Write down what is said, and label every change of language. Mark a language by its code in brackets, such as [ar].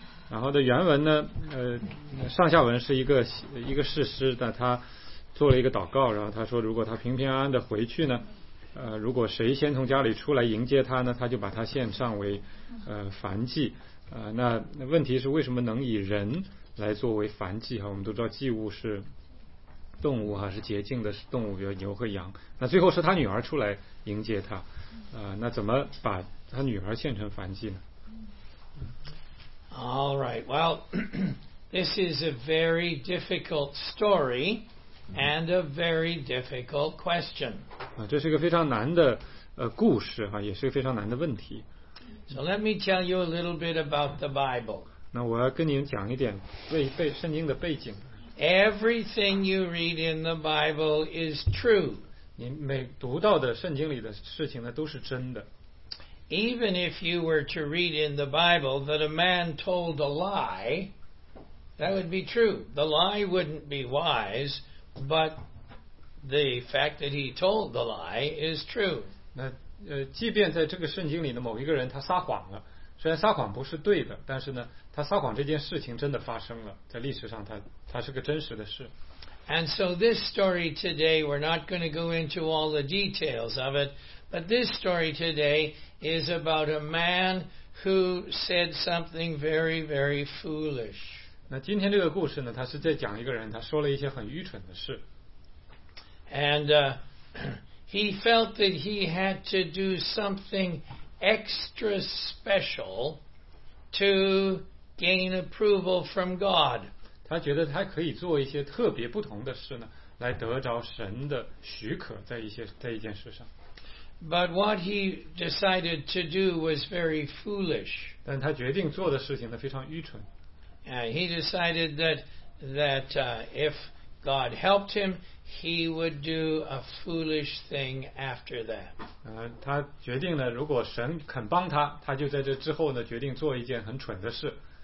[zh] 然后的原文呢，上下文是一个士师的，他做了一个祷告，然后他说，如果他平平安安的回去呢，如果谁先从家里出来迎接他呢，他就把他献上为燔祭。那问题是为什么能以人来作为燔祭哈？我们都知道祭物是动物哈，是洁净的动物，比如牛和羊。那最后是他女儿出来迎接他，那怎么把他女儿献成燔祭呢 [en] ？All right, well, this is a very difficult story and a very difficult question. [zh] 这是一个非常难的故事哈，也是一个非常难的问题。 [en] So let me tell you a little bit about the Bible. [zh] 那我要跟您讲一点背圣经的背景。 [en] Everything you read in the Bible is true. [zh] 您每读到的圣经里的事情呢，都是真的。 [en] Even if you were to read in the Bible that a man told a lie, that would be true. The lie wouldn't be wise, but the fact that he told the lie is true. [zh] 那即便在这个圣经里的某一个人他撒谎了，虽然撒谎不是对的，但是呢，他撒谎这件事情真的发生了，在历史上它是个真实的事。 [en] And so this story today, we're not going to go into all the details of it, but this story today is about a man who said something very, very foolish. [zh] 那今天这个故事呢，他是在讲一个人，他说了一些很愚蠢的事。 [en] And he felt that he had to do something extra special to gain approval from God. [zh] 他觉得他可以做一些特别不同的事呢，来得着神的许可，在一件事上。 [en] But what he decided to do was very foolish. [zh] 但他决定做的事情呢，非常愚蠢。 [en] He decided that if God helped him, he would do a foolish thing after that. [zh] 他决定呢，如果神肯帮他，他就在这之后呢，决定做一件很蠢的事。